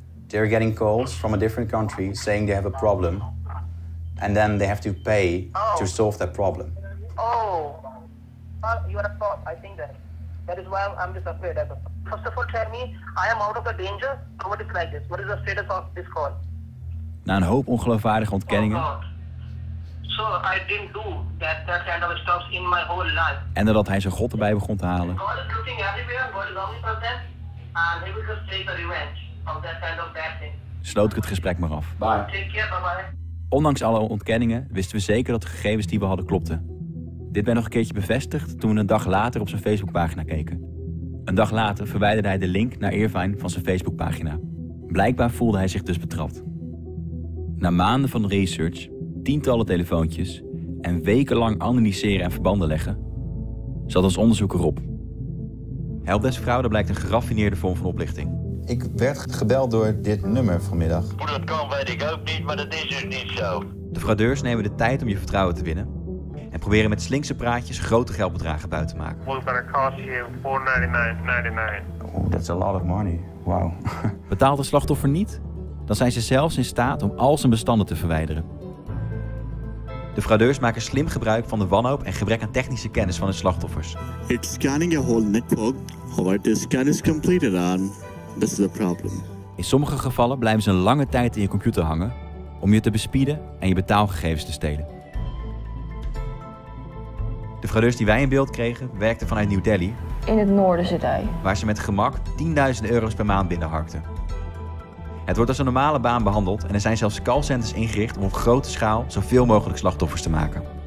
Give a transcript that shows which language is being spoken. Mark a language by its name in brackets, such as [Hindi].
[English] They're getting calls from a different country saying they have a problem, and then they have to pay to solve that problem. Oh, you are a cop, I think that is why I'm just afraid. First of all, tell me, I am out of the danger, or what is like this? What is the status of this call? [Dutch] Na een hoop ongeloofwaardige ontkenningen. [English] So I didn't do that kind of stuff in my whole life. [Dutch] En nadat hij zijn god erbij begon te halen. [English] God is looking everywhere, God is looking for them, and he will just take the revenge of that kind of bad thing. [Dutch] Sloot ik het gesprek maar af. [English] Bye. Take care, bye-bye. [Dutch] Ondanks alle ontkenningen wisten we zeker dat de gegevens die we hadden klopten. Dit werd nog een keertje bevestigd toen we een dag later op zijn Facebookpagina keken. Een dag later verwijderde hij de link naar Irvine van zijn Facebookpagina. Blijkbaar voelde hij zich dus betrapt. Na maanden van research, tientallen telefoontjes en wekenlang analyseren en verbanden leggen, zat als onderzoeker op. Helpdesk fraude blijkt een geraffineerde vorm van oplichting. Ik werd gebeld door dit nummer vanmiddag. Hoe dat kan, weet ik ook niet, maar dat is dus niet zo. De fraudeurs nemen de tijd om je vertrouwen te winnen en proberen met slinkse praatjes grote geldbedragen buiten te maken. [English] What's gonna cost you $499.99? Oh, that's a lot of money. Wow. [Dutch] Betaalt de slachtoffer niet, dan zijn ze zelfs in staat om al zijn bestanden te verwijderen. De fraudeurs maken slim gebruik van de wanhoop en gebrek aan technische kennis van hun slachtoffers. [English] It's scanning your whole network, however the scan is completed on. This is the problem. [Dutch] In sommige gevallen blijven ze een lange tijd in je computer hangen om je te bespieden en je betaalgegevens te stelen. De fraudeurs die wij in beeld kregen werkten vanuit New Delhi. In het noorden zit hij. Waar ze met gemak 10.000 euro's per maand binnenharkten. Het wordt als een normale baan behandeld en er zijn zelfs callcenters ingericht om op grote schaal zoveel mogelijk slachtoffers te maken.